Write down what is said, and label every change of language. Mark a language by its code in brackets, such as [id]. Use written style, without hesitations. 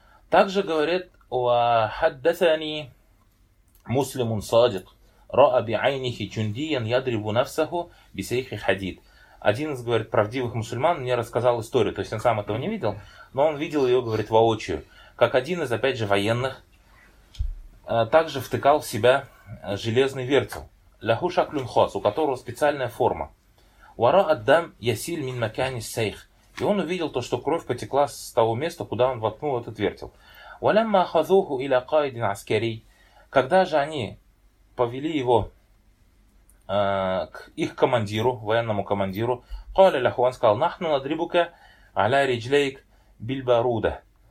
[ru] Также говорит [ar] وحدثني مسلم صادق رأى بعينه جنديا يضرب نفسه بسيخ حديد. [ru] Один из, говорит, правдивых мусульман мне рассказал историю, то есть он сам этого не видел, но он видел ее, говорит, воочию, как один из, опять же, военных также втыкал в себя железный вертел [ar] ляху шаклюн хос, [ru] у которого специальная форма. [ar] وراء الدم يسيل من مكان السيخ. [ru] И он увидел то, что кровь потекла с того места, куда он воткнул этот вертел. [ar] Валямма хазуху иля кайдин аскерий. [ru] Когда же они повели его к их командиру, военному командиру, [ar] кали ляху, [ru] он сказал, [ar] нахну надрибука аля риджлейк бильбаруда.